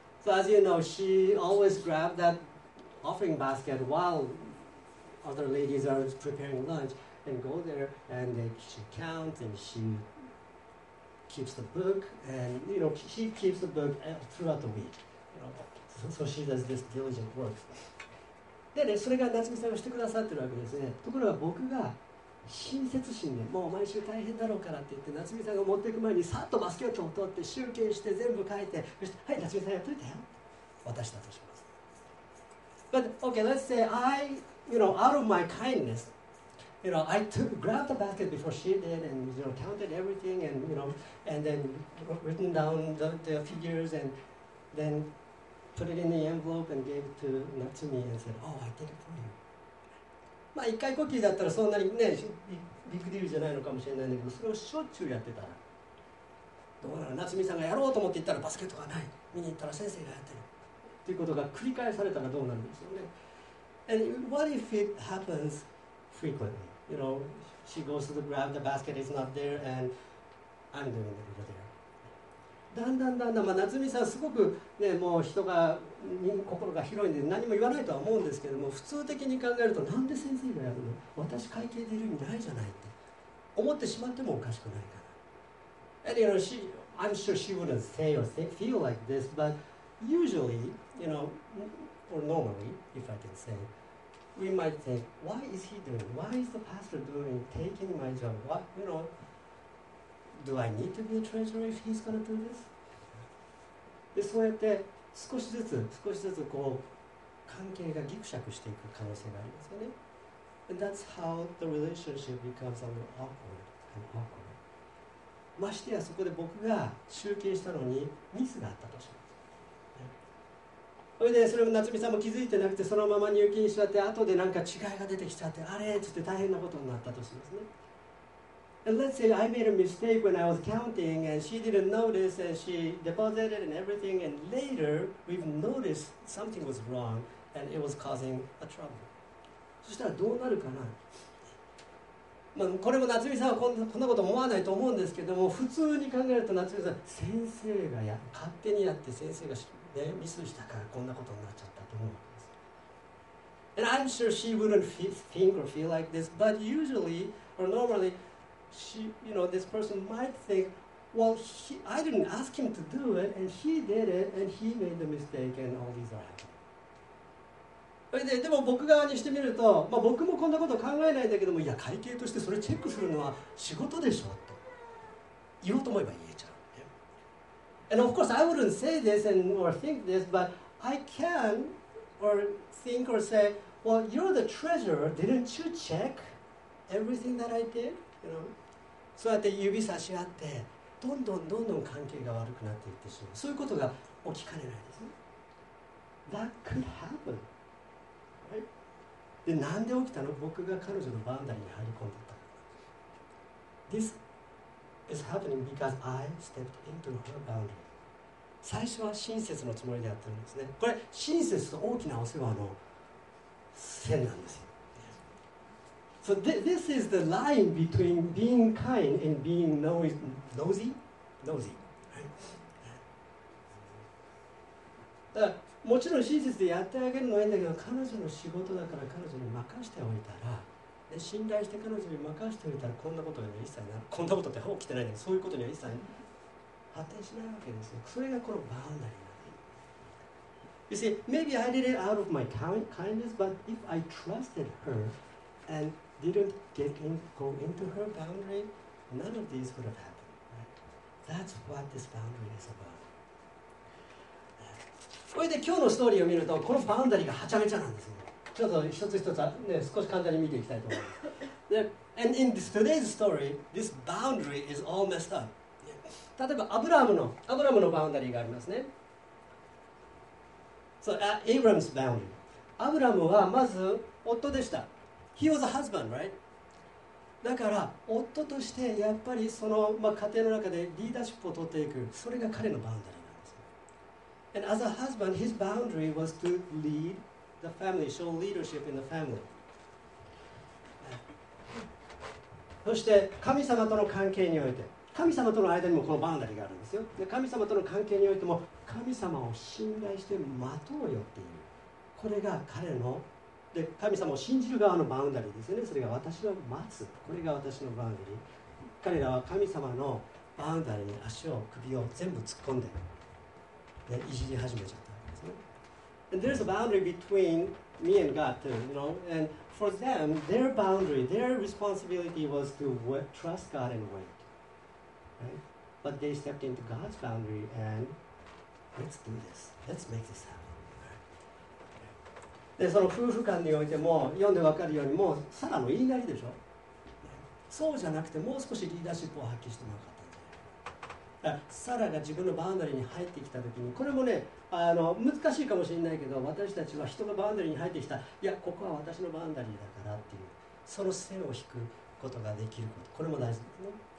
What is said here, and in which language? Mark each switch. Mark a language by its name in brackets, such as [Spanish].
[English] So as you know, she always grabbed that offering basket while other ladies are preparing lunch and go there and she counts and she keeps the book and you know she keeps the book throughout the week. You know, so she does this diligent work. [Japanese] でね、それが夏美さんがしてくださってるわけですね。ところが僕が親切心で、もう毎週大変だろうからって言って、夏美さんが持っていく前にさっとバスケットを取って集計して全部書いて、そしてはい夏美さんやっといたよって渡したとします。 [English] But okay, let's say I, you know, out of my kindness, you know, I took grabbed the basket before she did and you know counted everything and you know and then written down the figures and then put it in the envelope and gave it to Natsumi and said, oh, I did it for you. [Japanese] まあ一回コキーだったらそんなにね、ビッグディールじゃないのかもしれないんだけど、それをしょっちゅうやってたら、どうなの、夏美さんがやろうと思って行ったらバスケットがない、見に行ったら先生がやってるっていうことが繰り返されたらどうなるんですよね。 [English] And what if it happens frequently? You know, she goes to grab the basket, it's not there, and I'm doing it over there. [Japanese] だんだんだんだん、まあ、夏美さんすごくね、もう人が心が広いんで何も言わないとは思うんですけども、普通的に考えるとなんで先生がやるの、私会計でいる意味ないじゃないって思ってしまってもおかしくないから。 [English] And you know, she, I'm sure she wouldn't say or feel like this, but usually, you know, or normally, if I can say, we might think, why is he doing, why is the pastor doing, taking my job, what, you know, do I need to be a treasurer if he's gonna do this? [Japanese] で、そうやって少しずつこう関係がギクシャクしていく可能性がありますよね。 [English] And that's how the relationship becomes a little awkward and awkward. [Japanese] ましてやそこで僕が集計したのにミスがあったとします。それでそれも夏美さんも気づいてなくて、そのまま入金しちゃって、後でなんか違いが出てきちゃって、あれっつって大変なことになったとしますね。 [English] And let's say I made a mistake when I was counting and she didn't notice and she deposited and everything and later we've noticed something was wrong and it was causing a trouble. [Japanese] そしたらどうなるかな、まあ、これも夏美さんはこんなこと思わないと思うんですけども、普通に考えると夏美さん先生がや勝手にやって先生が、ね、ミスしたからこんなことになっちゃったと思うわけです。 [English] And I'm sure she wouldn't think or feel like this but usually or normallyShe, you know, this person might think, well, he, I didn't ask him to do it, and he did it, and he made the mistake, and all these are happening. [Japanese] でも僕側にしてみると、まあ、僕もこんなこと考えないんだけども、いや、会計としてそれチェックするのは仕事でしょと言おうと思えば言えちゃう。 [English] Yeah. And of course, I wouldn't say this and or think this, but I can or think or say, well, you're the treasurer. Didn't you check everything that I did? [Japanese] そうやって指差し合ってどんどんどんどん関係が悪くなっていってしまう、そういうことが起きかねないですね。 [English] That could happen、right? [Japanese] で、なんで起きたの、僕が彼女のバウンダリーに入り込んでた。 [English] This is happening because I stepped into her boundary。 [Japanese] 最初は親切のつもりでやってるんですね。これ親切と大きなお世話の線なんですよ。 [English] So this is the line between being kind and being nosy, nosy. だ [Japanese] もちろん親切でやってあげるのはいいんだけど、彼女の仕事だから彼女に任しておいたら、で信頼して彼女に任しておいたら、こんなことには一切な、こんなことって起きてないんだけど、そういうことには一切発展しないわけですよ。それがこのバウンダリーなんです。 [English] You see, maybe I did it out of my kindness, but if I trusted her and didn't go into her boundary, none of these would have happened.、Right? That's what this boundary is about. [Japanese] これで今日のストーリーを見ると、このバウンダリーがはちゃめちゃなんですよ。ちょっと一つ一つ、ね、少し簡単に見ていきたいと思います。 [English] で、And in this, today's story, this boundary is all messed up. [Japanese] 例えばアブラムのバウンダリーがありますね。 [English] So, Abram's boundary. [Japanese] アブラムはまず夫でした。 [English] He was a husband, right? [Japanese] だから夫としてやっぱりその、まあ、家庭の中でリーダーシップを取っていく、それが彼のバウンダリーなんです。 [English] And as a husband, his boundary was to lead the family, show leadership in the family. [Japanese] そして神様との関係において。神様との間にもこのバウンダリーがあるんですよ。で、神様との関係においても神様を信頼して待とうよっていう、これが彼ので、神様を信じる側のバウンダリーですよね。それが私を待つ、これが私のバウンダリー。彼らは神様のバウンダリーに足を首を全部突っ込んで、でいじり始めちゃったんですね。 [English] And there's a boundary between me and God too, you know. And for them, their boundary, their responsibility was to trust God and wait. Right? But they stepped into God's boundary and let's do this. Let's make this happen. [Japanese] で、その夫婦間においても読んでわかるように、もうサラの言いなりでしょ。そうじゃなくて、もう少しリーダーシップを発揮してもらったんで。サラが自分のバウンダリーに入ってきたときに、これもね、難しいかもしれないけど、私たちは人がバウンダリーに入ってきた、いや、ここは私のバウンダリーだからっていう、その線を引くことができること、これも大事ですね。